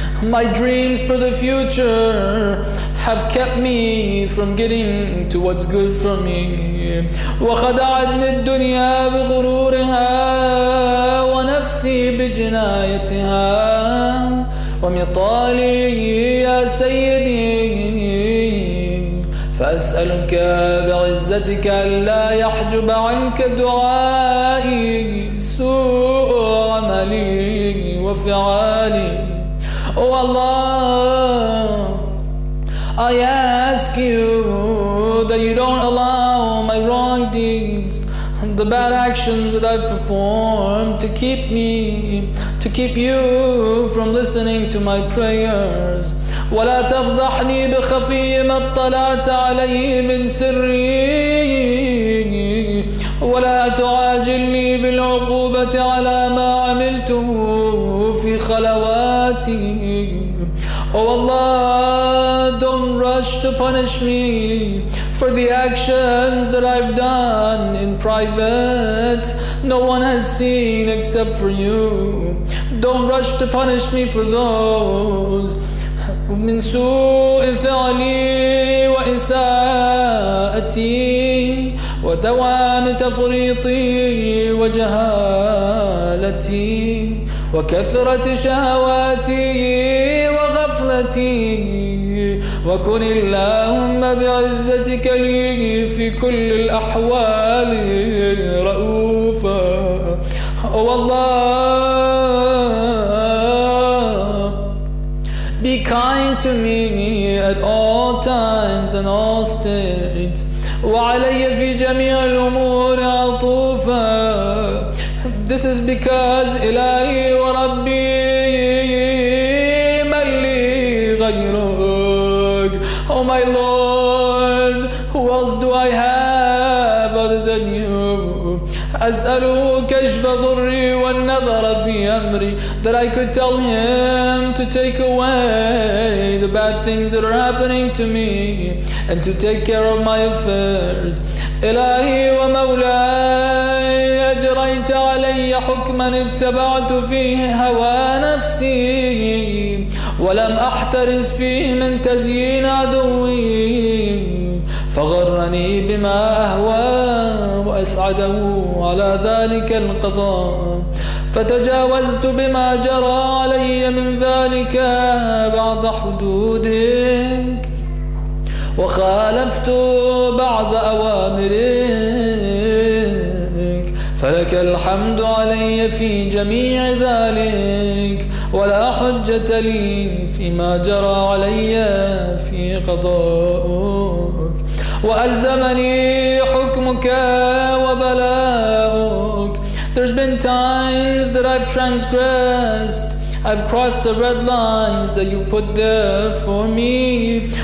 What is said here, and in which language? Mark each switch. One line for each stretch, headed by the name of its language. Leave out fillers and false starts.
English: My dreams for the future have kept me from getting to what's good for me.
Arabic: وخدعتني الدنيا بغرورها ونفسي بجنايتها ومطالي يا سيدي فأسألك بعزتك ألا يحجب عنك دعائي سوء عملي وفعالي.
English: Oh Allah, I ask you that you don't allow my wrong deeds, the bad actions that I've performed to keep you from listening to my prayers.
Arabic: ولا تفضحني بخفي ما اطلعت علي من سري ولا تعاجلني بالعقوبة على ما عملته في خلواتي.
English: Oh Allah, don't rush to punish me for the actions that I've done in private. No one has seen except for you. Don't rush to punish me for those.
Arabic: من سوء فعلي وإساءتي ودوام تفريطي وجهالتي وكثرة شهواتي وغفلتي. وكن اللهم بعزتك لي في كل الأحوال رؤوفا.
English: Oh Allah, be kind to me at all times and all states.
Arabic: وعلي في جميع الأمور عطوفا.
English: This is because
Arabic: إلهي وربي من لي غيرك.
English: Oh my Lord, who else do I have other than you?
Arabic: أسأله كشف ضري والنظر في أمري.
English: That I could tell him to take away the bad things that are happening to me and to take care of my affairs.
Arabic: إلهي ومولاي, أجريت علي حكما اتبعت فيه هوى نفسي ولم أحترز فيه من تزيين عدوي فغرني بما أهوى وأسعده على ذلك القضاء فتجاوزت بما جرى علي من ذلك بعض حدودك وخالفت بعض أوامرك فلك الحمد علي في جميع ذلك ولا حجة لي فيما جرى علي في قضاءك وألزمني حكمك وبلاءك.
English: There's been times that I've transgressed. I've crossed the red lines that you put there for me.